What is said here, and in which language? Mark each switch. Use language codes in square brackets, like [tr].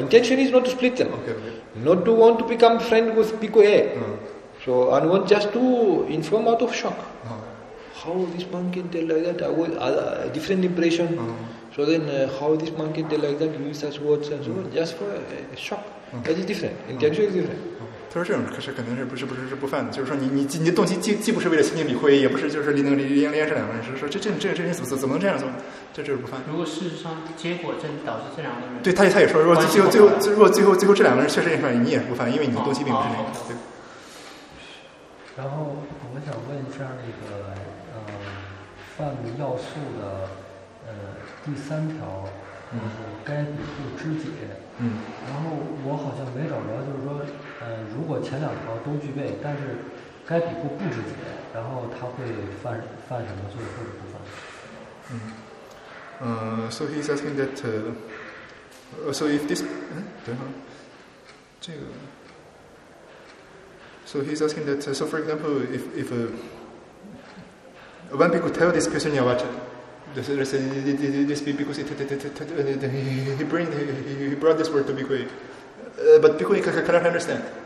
[en] Intention is not to split them. Okay. Not to want to become friend with Bhikkhu A. Uh-huh. So and want just to inform out of shock. Uh-huh. How this monk can tell like that? I will, different impression. Uh-huh. So then how this monk can tell like that? Use such words and so on. Just for shock. Okay. That is different. Intention uh-huh. is different. Uh-huh. [zh] 他说这种可是肯定是不是不犯的，就是说你动机既不是为了亲近比会，也不是就是离能离烟这两个人，是说这人怎么能这样做，这是不犯。如果事实上结果真导致这两个人，对，他也说如果最后这两个人确实也犯，你也不犯，因为你动机并不是那样。然后我想问一下那个犯要素的第三条，该比不知解。然后我好像没找着，就是说如果前两条都具备，但是该比库不知解，然后他会犯什么罪或者不犯？ [en] So he's asking that, so if this, [zh] 等一下，这个 [en] ，so he's asking that, so for example, if when people tell this person you watch it. This Bhikkhu, he brought this word to Bhikkhu, but Bhikkhu cannot understand.